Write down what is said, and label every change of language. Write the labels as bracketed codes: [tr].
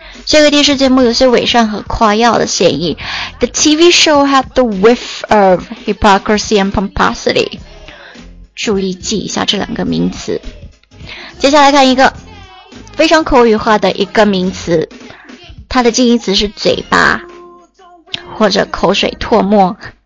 [zh] 这个电视节目有些伪善和夸耀的嫌疑。 [en] The TV show had the whiff of hypocrisy and pomposity。 [zh] 注意记一下这两个名词。接下来看一个非常口语化的一个名词，它的近义词是嘴巴或者口水唾沫。